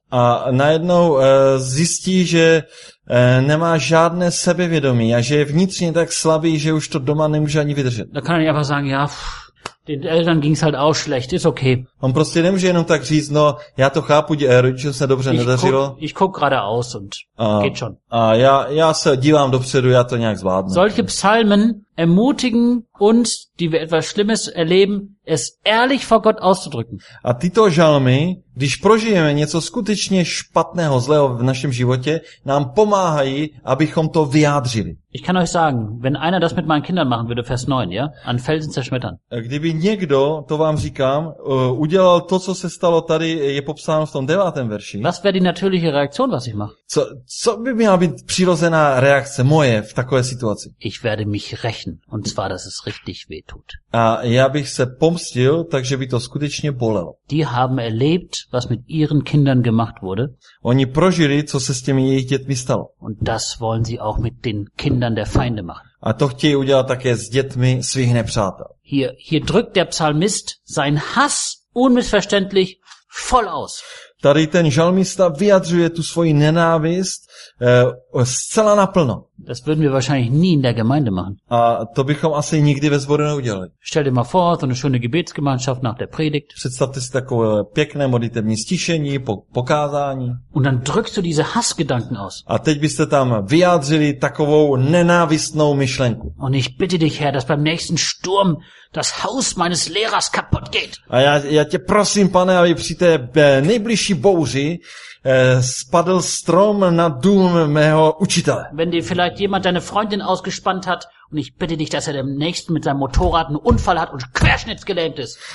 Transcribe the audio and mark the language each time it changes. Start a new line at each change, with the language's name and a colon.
Czech: A najednou zjistí, že nemá žádné sebevědomí a že je vnitřně tak slabý, že už to doma nemůže ani vydržet.
German: Da kann er einfach sagen, ja, den Eltern ging's halt auch schlecht, ist okay.
Czech: On prostě nemůže jenom tak říct, no, já to chápu, rodičům se dobře nedařilo.
German: Ich guck gerade aus und geht schon.
Czech: A já se dívám dopředu, já to nějak zvládnu.
German: Solche Psalmen ermutigen uns, die wir etwas Schlimmes erleben, es ehrlich vor Gott auszudrücken.
Czech: A tyto žalmy, když prožijeme něco skutečně špatného, zlého v našem životě, nám pomáhají, abychom to vyjádřili.
German: Ich kann euch sagen, wenn einer das mit meinen Kindern machen würde, Vers 9, ja, an Felsen zerschmettern.
Czech: Kdyby někdo, to vám říkám, udělal to, co se stalo tady, je popsáno v tom 9. verši.
German: Was wäre die natürliche Reaktion, was ich mache?
Czech: Co by měla být přirozená reakce moje v takové situaci?
German: Ich werde mich rächen, und zwar, dass es richtig wehtut.
Czech: A já bych se pomstil, takže by to skutečně bolelo.
German: Die haben erlebt, was mit ihren Kindern gemacht wurde.
Czech: Oni prožili, co se s těmi jejich dětmi stalo.
German: Und das wollen sie auch mit den Kindern der Feinde machen.
Czech: A to chtějí udělat také s dětmi svých nepřátel.
German: Hier drückt der Psalmist sein Hass unmissverständlich voll aus.
Czech: Tady ten žalmista vyjadřuje tu svoji nenávist zcela naplno.
German: Das würden wir wahrscheinlich nie in der Gemeinde machen.
Czech: A to bychom asi nikdy ve sboru neudělali.
German: Stell dir mal vor, so eine schöne Gebetsgemeinschaft nach der Predigt.
Czech: Představte si takové pěkné modlitevní stišení, pokázání.
German: Und dann drückst du diese Hassgedanken aus.
Czech: A teď byste tam vyjádřili takovou nenávistnou myšlenku.
German: Und ich bitte dich, Herr, dass beim nächsten Sturm das Haus meines Lehrers kaputt geht.
Czech: A já tě prosím, pane, aby při té nejbližší bouři spadl strom na dům mého učitele.
German: Wenn dir vielleicht jemand deine Freundin ausgespannt hat, und ich bitte dich, dass er dem nächsten mit seinem Motorrad einen Unfall hat und querschnittsgelähmt ist.